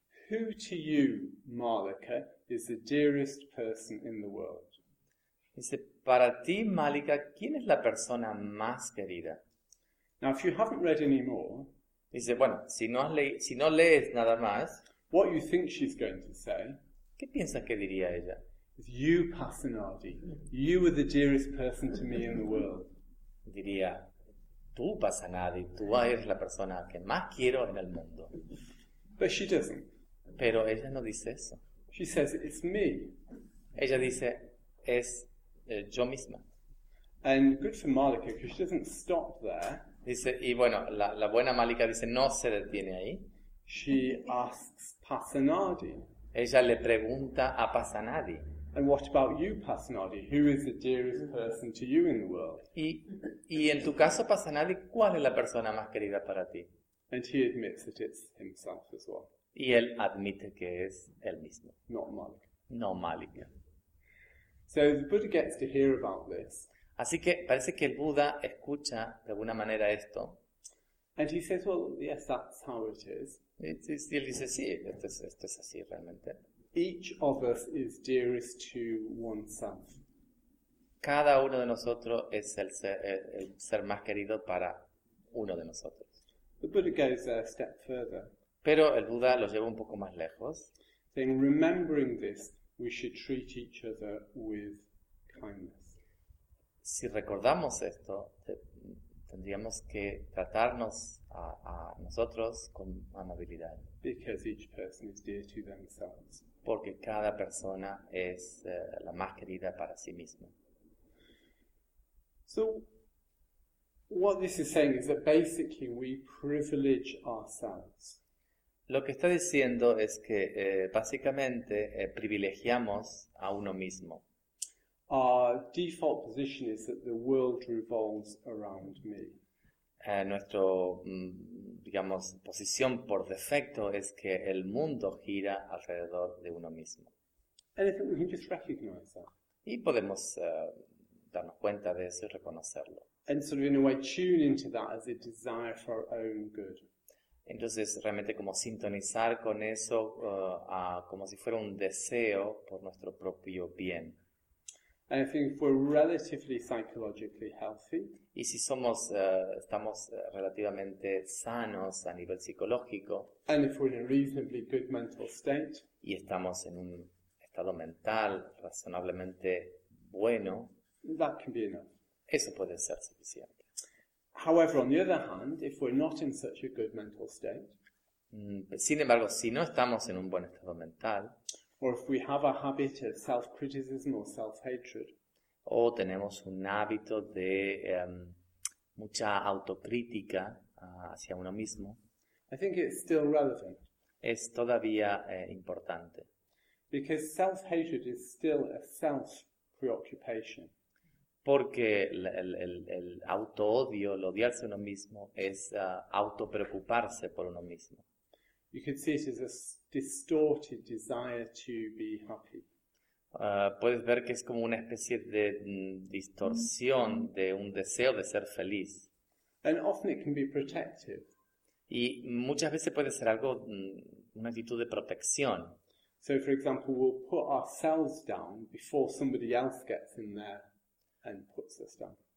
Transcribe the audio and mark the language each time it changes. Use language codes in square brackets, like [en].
[en] Who to you, Malika, is the dearest person in the world? [es] Dice, para ti, Malika, ¿quién es la persona más querida? [en] Now, if you haven't read any more. [es] Dice, bueno, si no lees nada más. [en] What you think she's going to say? [es] ¿Qué piensas que diría ella? [en] You, Pasenadi, you are the dearest person to me in the world. [es] Diría, tú, Pasenadi, tú eres la persona que más quiero en el mundo. [en] But she doesn't. [es] Pero ella no dice eso. [en] She says, it's me. [es] Ella dice, es yo misma. [en] And good for Malika, because she doesn't stop there. [es] Dice, y bueno, la buena Malika dice, no se detiene ahí. [en] She asks Pasenadi. [es] Ella le pregunta a Pasenadi. [en] And what about you, Pasenadi? Who is the dearest person to you in the world? [es] Y en tu caso, Pasenadi, ¿cuál es la persona más querida para ti? [en] And he admits that it's himself as well. [es] Y él admite que es él mismo. [en] Not Malika. [es] No Malika. [en] So the Buddha gets to hear about this. [es] Así que parece que el Buda escucha de alguna manera esto. [en] And he says, well, yes, that's how it is. [es] Y él dice, sí, esto es así realmente. [en] Each of us is dearest to oneself. [es] Cada uno de nosotros es el ser más querido para uno de nosotros. [en] The Buddha goes a step further. [es] Pero el Buda lo lleva un poco más lejos. [en] Then remembering this, we should treat each other with kindness. [es] Si recordamos esto, tendríamos que tratarnos a nosotros con amabilidad. [en] Because each person is dear to themselves. [es] Porque cada persona es la más querida para sí misma. [en] So, what this is saying is that basically we privilege ourselves. [es] Lo que está diciendo es que básicamente privilegiamos a uno mismo. [en] Our default position is that the world revolves around me. [es] Nuestro, digamos, posición por defecto es que el mundo gira alrededor de uno mismo. [en] And I think we can just recognize that. [es] Y podemos darnos cuenta de eso y reconocerlo. [en] And sort of in a way tune into that as a desire for our own good. [es] Entonces, realmente como sintonizar con eso como si fuera un deseo por nuestro propio bien. [en] And I think if we're relatively psychologically healthy, [es] y si somos estamos relativamente sanos a nivel psicológico, [en] and if we're in a reasonably good mental state, [es] y estamos en un estado mental razonablemente bueno, [en] that can be enough. [es] Eso puede ser suficiente. [en] However, on the other hand, if we're not in such a good mental state, [es] sin embargo, si no estamos en un buen estado mental, [en] or if we have a habit of self-criticism or self-hatred, [es] o tenemos un hábito de mucha autocrítica hacia uno mismo, [en] I think it's still relevant. [es] Es todavía importante. [en] Because self-hatred is still a self-preoccupation. [es] Porque el auto-odio, el odiarse a uno mismo, es auto-preocuparse por uno mismo. [en] You could see it as a distorted desire to be happy. [es] puedes ver que es como una especie de distorsión de un deseo de ser feliz. [en] And often it can be protective. [es] Y muchas veces puede ser algo, una actitud de protección. [en] So, for example, we'll put ourselves down before somebody else gets in there and puts us down.